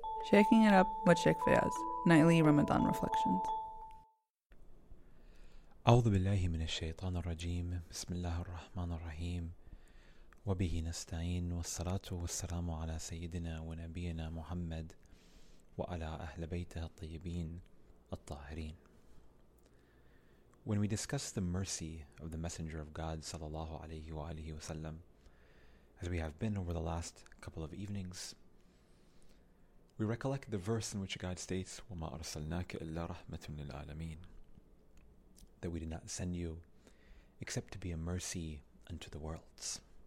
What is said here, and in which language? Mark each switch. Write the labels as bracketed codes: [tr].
[en] Shaking it up with Sheikh Fayaz, nightly Ramadan reflections. [ar] أعوذ بالله من الشيطان الرجيم بسم الله الرحمن الرحيم وبه نستعين والصلاة والسلام على سيدنا ونبينا محمد وعلى أهل بيته الطيبين الطاهرين. [en] When we discuss the mercy of the Messenger of God sallallahu alayhi wa alihi wa sallam, as we have been over the last couple of evenings, we recollect the verse in which God states, [ar] وَمَا أَرْسَلْنَاكَ إِلَّا رَحْمَةٌ لِلْعَالَمِينَ, [en] that we did not send you except to be a mercy unto the worlds.